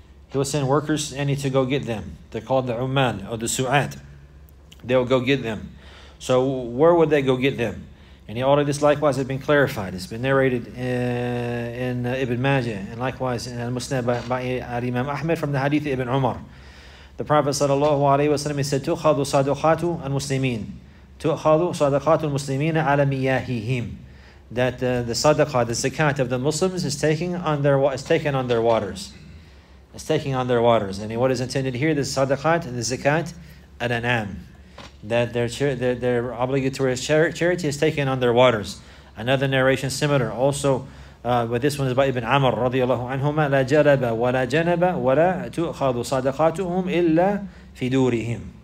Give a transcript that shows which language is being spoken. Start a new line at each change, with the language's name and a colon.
English: He will send workers to go get them. They're called the ummal or the su'at. they'll go get them. So where would they go get them? And all of this likewise has been clarified. It's been narrated in Ibn Majah, and likewise in Al-Musnad by Imam Ahmed from the Hadith of Ibn Umar. The Prophet sallallahu alayhi wa sallam said,
Arabic: تُؤْخَذُ صَدَقَاتُ الْمُسْلِمِينَ تُؤْخَذُ صَدَقَاتُ الْمُسْلِمِينَ عَلَى مِيَاهِهِمْ.
English: That the sadaqah, the zakat of the Muslims is taken on their waters. It's taking on their waters. And what is intended here, the sadaqat, the zakat, al-an'am. That their obligatory charity is taken on their waters. Another narration similar, also, but this one is by Ibn Amr radiallahu anhuma,
Arabic: لا جلب ولا جنب ولا تؤخذ صدقاتهم إلا في دورهم.